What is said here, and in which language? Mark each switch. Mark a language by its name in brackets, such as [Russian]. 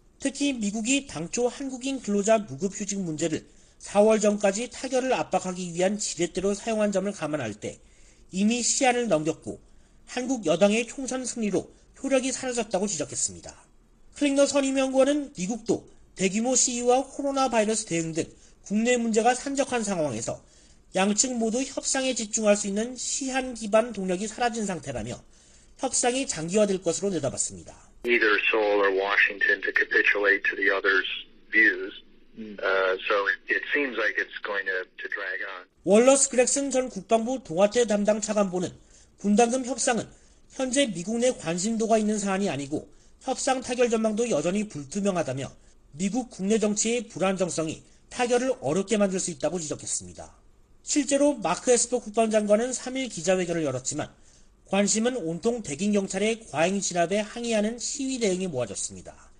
[Korean] 특히 미국이 당초 한국인 근로자 무급휴직 문제를 4월 전까지 타결을 압박하기 위한 지렛대로 사용한 점을 감안할 때 이미 시한을 넘겼고 한국 여당의 총선 승리로 효력이 사라졌다고 지적했습니다. 클링너 선임연구원은 미국도 대규모 시위와 코로나 바이러스 대응 등 국내 문제가 산적한 상황에서 양측 모두 협상에 집중할 수 있는 시한 기반 동력이 사라진 상태라며 협상이 장기화될 것으로 내다봤습니다. [English] Either Seoul or Washington to capitulate to the other's views. So it seems like it's going to drag on. [Korean] 월러스 그렉슨 전 국방부 동아태 담당 차관보는 분담금 협상은 현재 미국 내 관심도가 있는 사안이 아니고 협상 타결 전망도 여전히 불투명하다며 미국 국내 정치의 불안정성이 타결을 어렵게 만들 수 있다고 지적했습니다. 실제로 마크 에스퍼 국방장관은 3일 기자회견을 열었지만 관심은 온통 백인 경찰의 과잉 진압에 항의하는 시위 대응이 모아졌습니다.